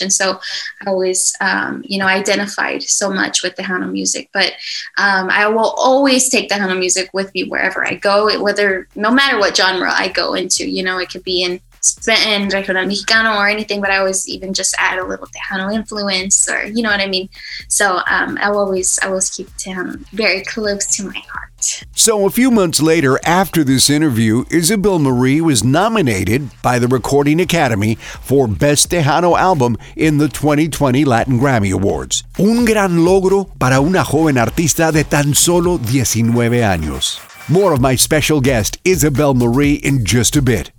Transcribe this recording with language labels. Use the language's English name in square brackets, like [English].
[English] And so I always, identified so much with Tejano music, but I will always take Tejano music with me wherever I go, no matter what genre I go into, it could be in Regional Mexicano or anything, but I always even just add a little Tejano influence, or you know what I mean? So I always keep Tejano very close to my heart. So a few months later, after this interview, Isabel Marie was nominated by the Recording Academy for Best Tejano Album in the 2020 Latin Grammy Awards. [Spanish] Un gran logro para una joven artista de tan solo 19 años. [English] More of my special guest, Isabel Marie, in just a bit.